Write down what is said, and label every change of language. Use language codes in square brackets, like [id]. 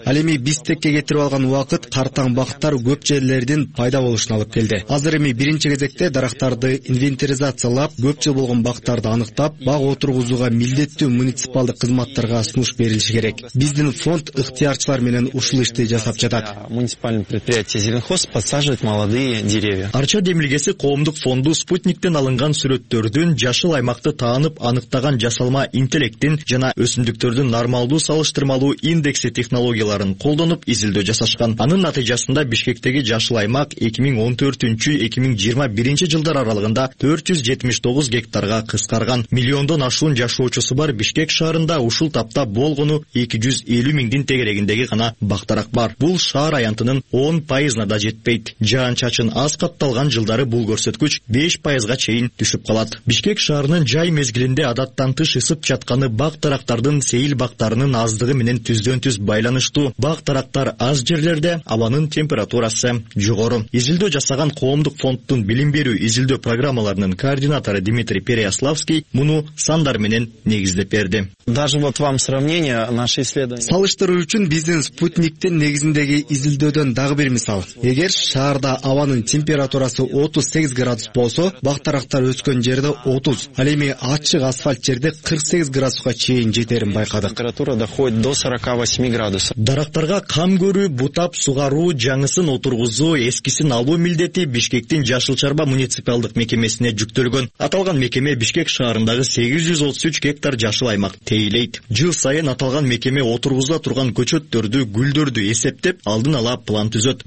[ky] Ал эми бизтекке кетирип алган убакыт картаң бактар көп жерлердин пайда болушуна алып келди. Азыр эми биринчи кезекте дарактарды инвентаризациялап, көп жыл болгон бактарды аныктап, бак отургузууга милдеттүү муниципалдык кызматтарга сунуш берилиши керек. Биздин фонд ыктыярчылар менен ушул ишти жасап жатат. [ru] Муниципальный предприятие Зеленхоз подсаживает молодые деревья. [ky] Арча демилгеси коомдук фонду спутниктен алынган сүрөттөрдүн жашыл аймакты таанып аныктаган жасалма интеллекттин жана өсүмдүктөрдүн нормалдуу салыштырмалуу индекси технологияларын колдонуп изилдөө жасашкан. Анын натыйжасында Бишкектеги жашыл аймак 2014-2021 жылдар аралыгында 479 гектарга кыскарган. Миллиондон ашуун жашоочусу бар Бишкек шаарында ушул тапта болгону 250 миңдин тегерегиндеги гана бактарак бар. Бул шаар аянтынын 10% да жетпейт. Жаан чачын аз катталган жылдары бул көрсөткүч 5% чейин түшүп калат. Бишкек шаарынын жай мезгилинде адаттан тыш ысып жатканы бак тарактардын сейил бактарынын аздыгы менен түздөн түз байланыштуу. Бак тарактар аз жерлерде абанын температурасы жогору. Изилдөө жасаган коомдук фонддун билим берүү изилдөө программаларынын координатору Дмитрий Переяславский муну сандар менен негиздеп берди. [ru] Даже вот вам сравнение наше исследование. [ky] Салыштыруу үчүн биздин спутниктин негизиндеги изилдөөдөн дагы бир мисал. Эгер шаарда абанын температурасы 38 градус болсо, бак тарактар өскөн жерде 30, ал эми ачык асфальт жерде 48 градуска чейин жетерин байкадык. [ru] Температура доходит до 48 градусов. [ky] Дарактарга кам көрүү, бутап, сугаруу, жаңысын отургузуу, эскисин алуу милдети Бишкектин жашыл чарба муниципалдык мекемесине жүктөлгөн. Аталган мекеме Бишкек шаарындагы 833 гектар жашыл аймак тейлейт. Жыл сайын аталган мекеме отургуза турган көчөттөрдү, гүлдөрдү эсептеп, алдын ала план түзөт.